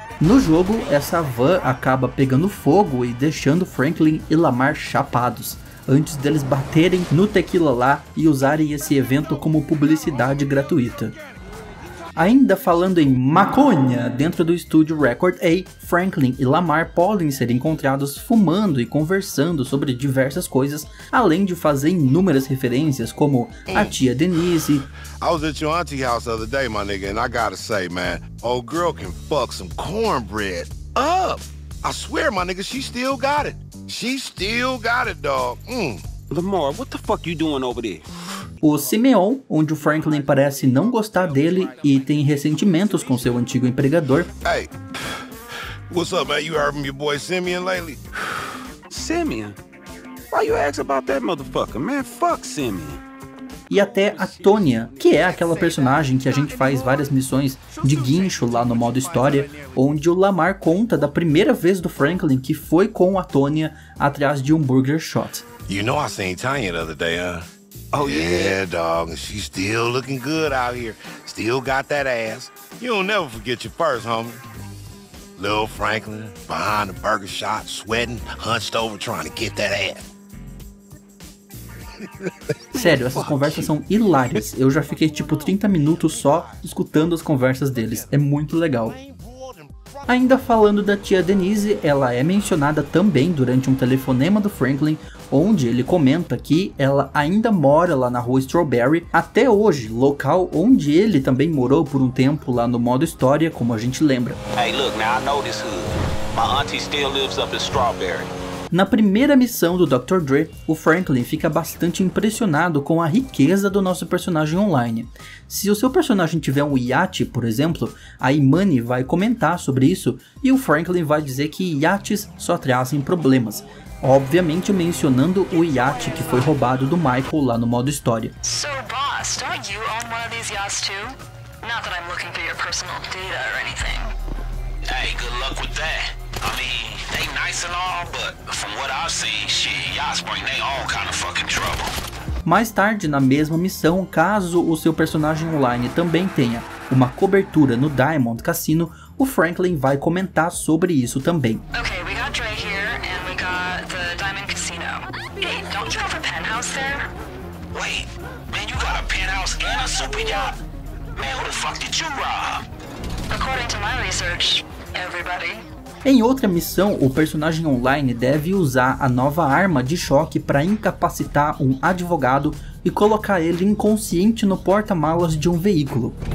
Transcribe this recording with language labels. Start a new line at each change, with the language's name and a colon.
Portuguese: No jogo, essa van acaba pegando fogo e deixando Franklin e Lamar chapados, antes deles baterem no tequila lá e usarem esse evento como publicidade gratuita. Ainda falando em maconha, dentro do estúdio Record A, Franklin e Lamar podem ser encontrados fumando e conversando sobre diversas coisas, além de fazer inúmeras referências como a tia Denise.
English: I was at your auntie house the other day, my nigga, and I gotta say, man, old girl can fuck some cornbread up. I swear, my nigga, she still got it. She still got it, dog. Lamar, what the fuck you doing over there?
Portuguese: O Simeon, onde o Franklin parece não gostar dele e tem ressentimentos com seu antigo empregador.
English: Hey, what's up, man? You heard from your boy Simeon lately? Simeon? Why you ask about that motherfucker, man? Fuck Simeon.
Portuguese: E até a Tonya, que é aquela personagem que a gente faz várias missões de guincho lá no modo história, onde o Lamar conta da primeira vez do Franklin que foi com a Tonya atrás de um burger shot.
English: You know I seen Tonya the other day, huh? Oh yeah, dog. She's still looking good out here. Still got that ass. You'll never forget your first, homie. Lil Franklin behind the burger shop, sweating, hunched over, trying to get that ass.
Portuguese: Sério, essas conversas são hilárias. Eu já fiquei tipo 30 minutos só escutando as conversas deles. É muito legal. Ainda falando da tia Denise, ela é mencionada também durante um telefonema do Franklin, onde ele comenta que ela ainda mora lá na rua Strawberry, até hoje, local onde ele também morou por um tempo lá no modo história, como a gente lembra.
English: Hey, look, now I know this hood. My auntie still lives up in Strawberry.
Portuguese: Na primeira missão do Dr. Dre, o Franklin fica bastante impressionado com a riqueza do nosso personagem online. Se o seu personagem tiver um iate, por exemplo, a Imani vai comentar sobre isso e o Franklin vai dizer que iates só trazem problemas. Obviamente mencionando o iate que foi roubado do Michael lá no modo história.
English: So, boss, don't you own one of these yachts too? Not that I'm looking for your personal data or anything. Hey, good luck with that. They nice and all, but from what I see, shit, y'all bring they all kind of fucking trouble.
Portuguese: Mais tarde, na mesma missão, caso o seu personagem online também tenha uma cobertura no Diamond Casino, o Franklin vai comentar sobre isso também.
English: Okay, we got Dre here and we got the Diamond Casino. Hey, don't you have a penthouse there? Wait, man, you got a penthouse and a super yacht? Man, who the fuck did you rob? According to my research, everybody.
Portuguese: Em outra missão, o personagem online deve usar a nova arma de choque para incapacitar um advogado e colocar ele inconsciente no porta-malas de um veículo.